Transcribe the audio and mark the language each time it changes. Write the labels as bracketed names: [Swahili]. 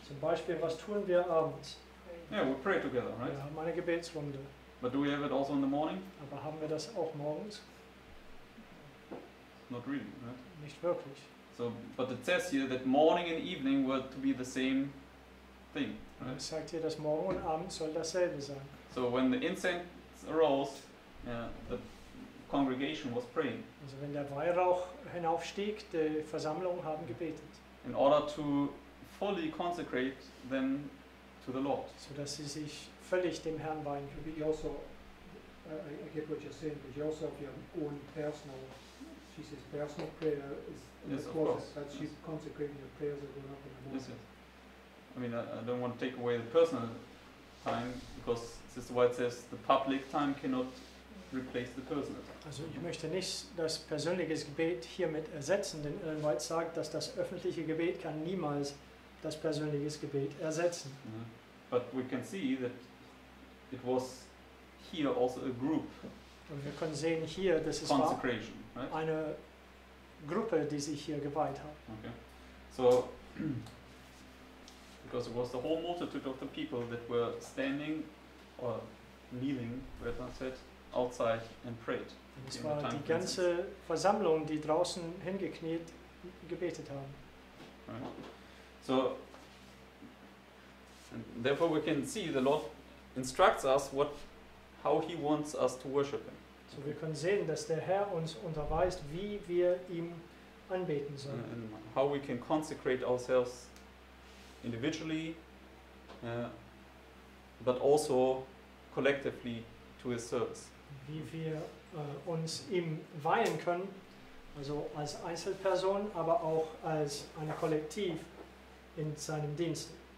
[German] Zum Beispiel, was tun wir abends? [English] Yeah, we pray together, right? [German] Wir haben eine Gebetsrunde. [English] But do we have it also in the morning? [German] Aber haben wir das auch morgens? [English] Not really, right? [German] Nicht wirklich. [English] So, but it says here that morning and evening were to be the same thing, right? [German] Es sagt hier, dass morgen und abend soll dasselbe sein. [English] So when the incense arose, the congregation was praying. [German] Also wenn der Weihrauch hinaufstieg, die Versammlung haben gebetet. [English] In order to fully consecrate them to the Lord. [German] So dass sie sich völlig dem Herrn weihen können. [English] But you also, I get what you're saying, but you also have your own personal, she says personal prayer is in yes, the closet, that she's consecrating your prayers that went up in the morning. Yes, yes. I mean, I don't want to take away the personal time, because Sister White says the public time cannot replace the personal. [German] Also ich möchte nicht das persönliche Gebet hiermit ersetzen, denn Ellen White sagt, dass das öffentliche Gebet kann niemals das persönliche Gebet ersetzen. [English] Yeah. But we can see that it was here also a group. [German] Und wir können sehen hier, dass es [English] consecration, [German] war [English] right? [German] Eine Gruppe, die sich hier geweiht hat. [English] Okay. So, because it was the whole multitude of the people that were standing or kneeling, where that said, outside and prayed. [German] Es war die ganze Versammlung, die draußen hingekniet gebetet haben. [English] Right. So, and therefore we can see the Lord instructs us how he wants us to worship him. [German] So wir können sehen, dass der Herr uns unterweist, wie wir ihm anbeten sollen. [English] And how we can consecrate ourselves individually, but also collectively to his service. [German] Wie wir uns ihm weihen können, also als Einzelperson, aber auch als ein Kollektiv in seinem Dienst.